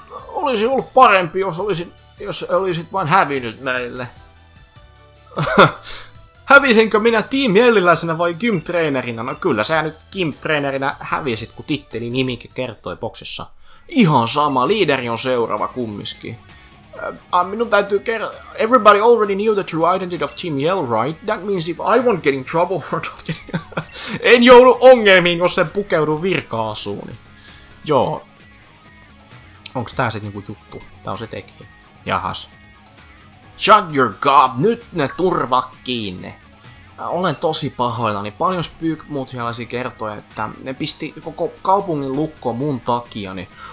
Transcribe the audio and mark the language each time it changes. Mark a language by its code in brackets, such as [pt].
[fi] Olisi ollut parempi, jos olisit vain hävinnyt meille. Hävisinkö minä Team Yelliläisenä vai gymtreenerinä? No kyllä sä nyt gymtreenerinä hävisit, kun titteli nimikin kertoi boksissa. Ihan sama, liideri on seuraava kummiskin. Minun täytyy [en] Everybody already knew the true identity of Team Yell, right? That means if I won't get in trouble, we're not getting... [fi] En joudu ongelmiin, jos sen pukeudu virka-asuuni. Joo. Onks tää sit niinku juttu? Tää on se tekijä. Jahas. [en] Shut your gob, [fi] nyt ne turva kiinne. Olen tosi pahoillani. Paljon Spyk Muthialaisi kertoi, että ne pisti koko kaupungin lukkoon mun takiani.